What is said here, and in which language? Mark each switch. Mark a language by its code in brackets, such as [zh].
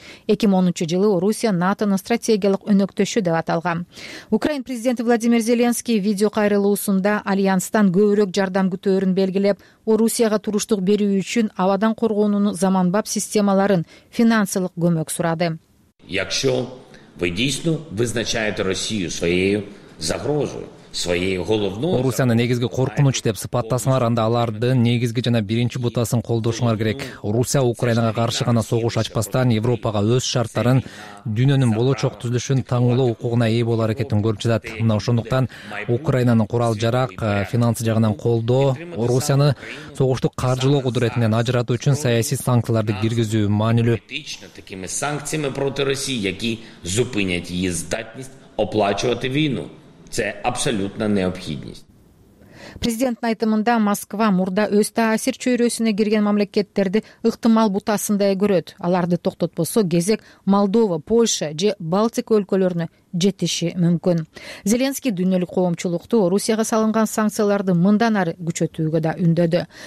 [ky] 2010-жылы Орусия НАТОнун стратегиялык өнөктөшү деп аталган. Украин президенти Владимир Зеленский видео кайрылуусунда альянстан көбүрөөк жардам күтөөрүн белгилеп, Орусияга туруштук берүү үчүн абадан коргоонунун заманбап системаларын, финансылык көмөк сурады. [uk] Якшо вы действительно визначаете Россию своей загрозой, своей головной, [ky] Орусияны негизги коркунуч деп сыпаттасаңар, анда алардын негизги жана биринчи бутасын колдошуңар керек. Орусия Украинага каршы гана согуш ачпастан Европага өз шарттарын, дүйнөнүн болочок түзүлүшүн таңуулоо укугуна ээ болуу аракетин көрүп жатат. Мына ошондуктан Украинанын курал жарак, финансы жагынан колдоо, Орусияны согушту каржылоо кудуретинен ажыратуу үчүн саясий санкцияларды киргизүү маанилүү. [uk] Такими санкциями против России, які зупинять її здатність оплачувати війну. Це абсолютно необхідність. [ky] Президенттин айтымында Москва мурда өз таасир чөйрөсүнө кирген мамлекеттерди ыктымал бутасындай көрөт. Аларды токтотпосо кезек Молдова, Польша же Балтика өлкөлөрүнө жетиши мүмкүн. Зеленский дүйнөлүк коомчулукту Орусияга салынган санкцияларды мындан ары күчөтүүгө да үндөдү.